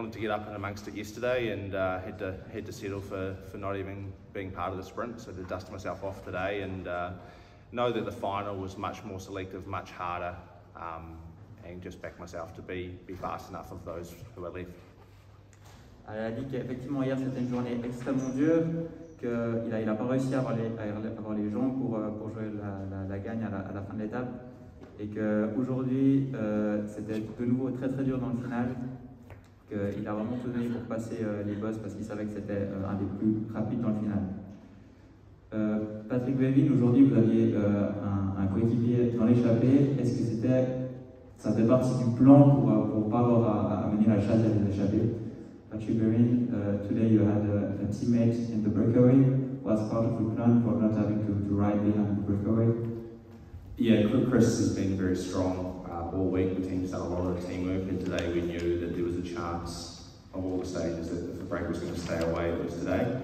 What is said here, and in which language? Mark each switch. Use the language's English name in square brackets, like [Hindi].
[English] Wanted to get up and amongst it yesterday, and had to settle for not even being part of the sprint. So to dust myself off today, and know that the final was much more selective, much harder, and just back myself to be fast enough of those who are left. [French] Elle a dit qu'effectivement hier c'était une journée extrêmement dure, qu'il n'a pas réussi à avoir les jambes pour jouer la gagne à la fin de l'étape, et qu'aujourd'hui c'était de nouveau très très dur dans le final, qu'il a vraiment tout donné pour passer les bosses parce qu'il savait que c'était un des plus rapides dans le final. Patrick Bevin, aujourd'hui vous aviez un coéquipier dans l'échappée, est-ce que ça faisait partie du plan pour pas avoir à mener la chasse à les échappées? [English] Patrick Bevin, today you had a teammate in the breakaway. Was part of the plan for not having to ride behind the breakaway? Yeah, Chris has been very strong all week. The team's done a lot of teamwork, and today we knew that there was a chance of all the stages that if the break was going to stay away, it was today.